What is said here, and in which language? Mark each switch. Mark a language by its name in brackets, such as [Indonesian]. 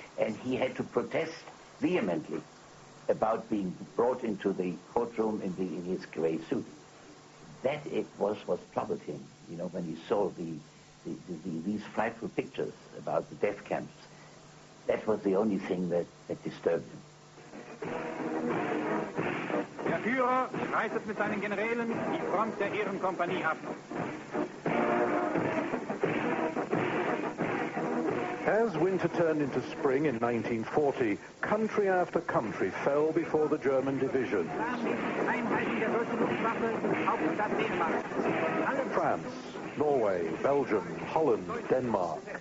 [English] And he had to protest vehemently about being brought into the courtroom in his gray suit. That it was what troubled him, you know, when he saw these frightful pictures about the death camps. That was the only thing that disturbed him. [German] Der Führer reitet mit seinen Generälen die Front der Ehrenkompanie ab. [English] As winter turned into spring in 1940, country after country fell before the German divisions. France, Norway, Belgium, Holland, Denmark.